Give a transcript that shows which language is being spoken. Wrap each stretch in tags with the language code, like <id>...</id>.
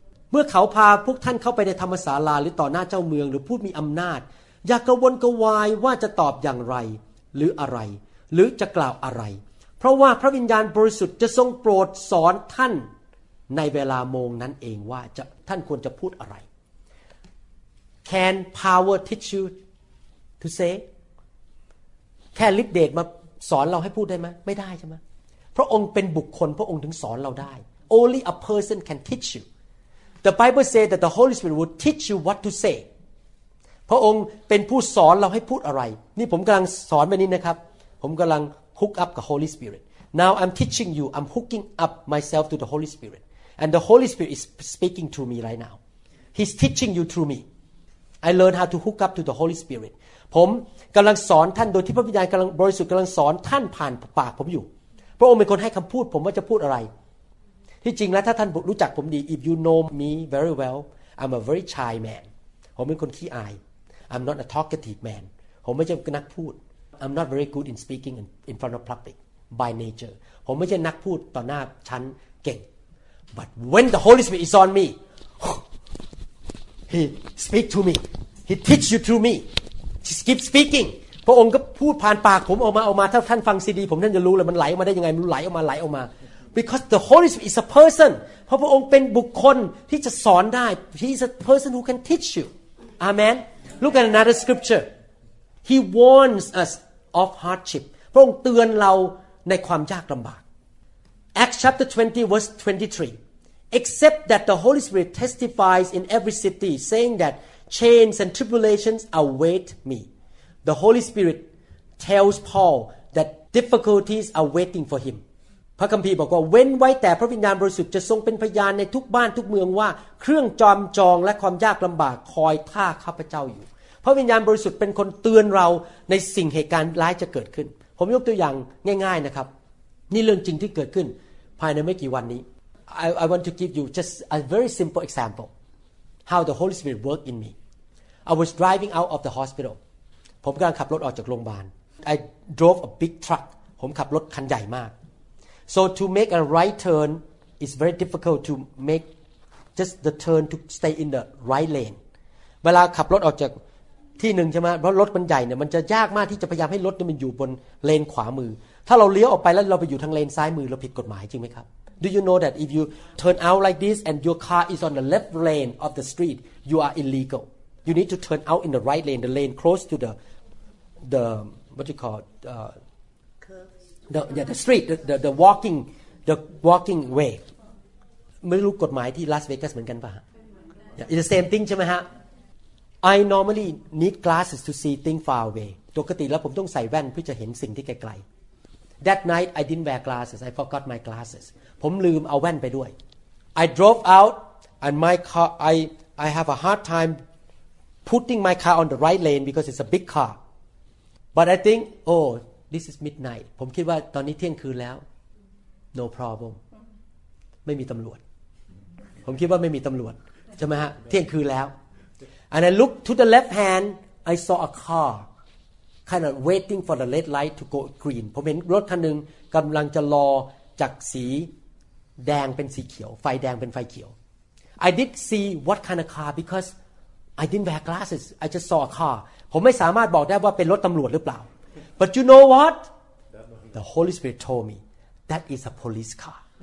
<th>เมื่อเขาพาพวกท่านเข้าไปในธรรมศาลาหรือต่อหน้าเจ้าเมืองหรือผู้มีอำนาจอย่ากังวลกังวายว่าจะตอบอย่างไรหรืออะไรหรือจะกล่าวอะไรเพราะว่าพระวิญญาณบริสุทธิ์จะทรงโปรดสอนท่านในเวลาโมงนั้นเองว่าจะท่านควรจะพูดอะไร</th> <en>Can power teach you to say?</en> <th>แค่ฤทธิ์เดชมาสอนเราให้พูดได้ไหมไม่ได้ใช่ไหมพระองค์เป็นบุคคลพระองค์ถึงสอนเราได้</th> <en>Only a person can teach you. The Bible says that the Holy Spirit will teach you what to say.</en> <th>พระองค์เป็นผู้สอนเราให้พูดอะไรนี่ผมกำลังสอนแบบนี้นะครับผมกำลัง</th> <en>hook up</en> <th>กับ Holy Spirit.</th> <en>Now I'm teaching you. I'm hooking up myself to the Holy Spirit. And the Holy Spirit is speaking to me right now. He's teaching you through me. I learn how to hook up to the Holy Spirit.</en> <th>ผมกำลังสอนท่านโดยที่พระวิญญาณกำลังบริสุทธิ์กำลังสอนท่านผ่านปากผมอยู่พระองค์เป็นคนให้คำพูดผมว่าจะพูดอะไรที่จริงแล้วถ้าท่านรู้จักผมดี</th> <en>if you know me very well I'm a very shy man</en> <th>ผมเป็นคนขี้อาย</th> <en>I'm not a talkative man</en> <th>ผมไม่ใช่นักพูด</th> <en>I'm not very good in speaking in front of public by nature</en> <th>ผมไม่ใช่นักพูดต่อหน้าชั้นเก่ง</th> <en>but when the Holy Spirit is on me he speak to me he teach you through me just keep speaking</en> <th>พระองค์ก็พูดผ่านปากผมออกมาถ้าท่านฟังซีดีผมท่านจะรู้เลยมันไหลออกมาได้ยังไงมันไหลออกมาไหลออกมา</th> <en>Because the Holy Spirit is a person.</en> <th>พระองค์เป็นบุคคลที่จะสอนได้</th> <en>He is a person who can teach you. Amen. Look at another scripture. He warns us of hardship.</en> <th>พระองค์เตือนเราในความยากลำบาก</th> <en>Acts chapter 20 verse 23. Except that the Holy Spirit testifies in every city saying that chains and tribulations await me. The Holy Spirit tells Paul that difficulties are waiting for him.</en> <th>พระคัมภีร์บอกว่าเว้นไว้แต่พระวิญญาณบริสุทธิ์จะทรงเป็นพยานในทุกบ้านทุกเมืองว่าเครื่องจอมจองและความยากลำบากคอยท่าข้าพเจ้าอยู่พระวิญญาณบริสุทธิ์เป็นคนเตือนเราในสิ่งเหตุการณ์ร้ายจะเกิดขึ้นผมยกตัวอย่างง่ายๆนะครับนี่เรื่องจริงที่เกิดขึ้นภายในไม่กี่วันนี้</th> <en>I want to give you just a very simple example how the Holy Spirit worked in me I was driving out of the hospital</en> <th>ผมกำลังขับรถออกจากโรงพยาบาล</th> <en>I drove a big truck</en> <th>ผมขับรถคันใหญ่มาก</th> <en>So to make a right turn is very difficult to make just the turn to stay in the right lane.</en> <th>เวลาขับรถออกจากที่หนึ่งใช่ไหมเพราะรถมันใหญ่เนี่ยมันจะยากมากที่จะพยายามให้รถมันอยู่บนเลนขวามือถ้าเราเลี้ยวออกไปแล้วเราไปอยู่ทางเลนซ้ายมือเราผิดกฎหมายจริงไหมครับ</th> <en>Do you know that if you turn out like this and your car is on the left lane of the street, you are illegal. You need to turn out in the right lane, the lane close to the what you call the street, the walking the walking way.</en> <th>ไม่รู้กฎหมายที่ลาสเวกัสเหมือนกันป่ะ</th> <en>It's the same thing</en> <th>ใช่ไหมฮะ</th> <en>I normally need glasses to see things far away.</en> <th>ปกติแล้วผมต้องใส่แว่นเพื่อจะเห็นสิ่งที่ไกลๆ</th> <en>That night I didn't wear glasses. I forgot my glasses.</en> <th>ผมลืมเอาแว่นไปด้วย</th> <en>I drove out and my car I have a hard time putting my car on the right lane because it's a big car. But I think oh this is midnight.</en> <th>ผมคิดว่าตอนนี้เที่ยงคืนแล้ว</th> <en>No problem.</en> <th>ไม่มีตำรวจผมคิดว่าไม่มีตำรวจใช่ไหมฮะเที่ยงคืนแล้ว</th> <en>and I look to the left hand I saw a car kind of waiting for the red light to go green</en> <th>ผมเห็นรถคันหนึ่งกำลังจะรอจากสีแดงเป็นสีเขียวไฟแดงเป็นไฟเขียว</th> <en>I did see what kind of car because I didn't wear glasses I just saw a car</en> <th>ผมไม่สามารถบอกได้ว่าเป็นรถตำรวจหรือเปล่า</th> <en>but you know what the Holy Spirit told me that is a police car</en>